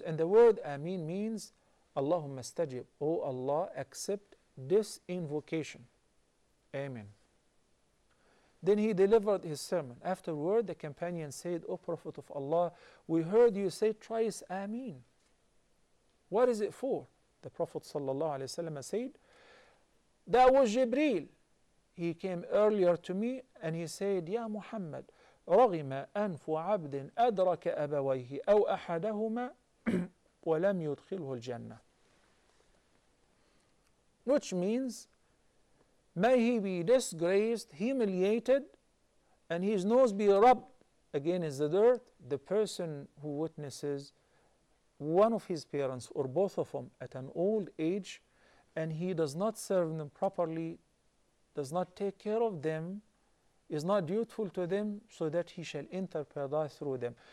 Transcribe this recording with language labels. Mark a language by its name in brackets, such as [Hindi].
[English] And the word Ameen means Allahumma stajib. O Allah, accept this invocation. Amen. Then he delivered his sermon. Afterward, the companion said, O Prophet of Allah, we heard you say twice Ameen. What is it for? The Prophet sallallahu alayhi wa sallam said, that was Jibreel. He came earlier to me and he said, [Arabic] Ya Muhammad, رغم أنف عبد أدرك أبويه أو أحدهما ولم يدخله الجنة. [English] Which means, may he be disgraced, humiliated, and his nose be rubbed against the dirt, the person who witnesses one of his parents or both of them at an old age, and he does not serve them properly, does not take care of them, is not dutiful to them, so that he shall enter paradise through them.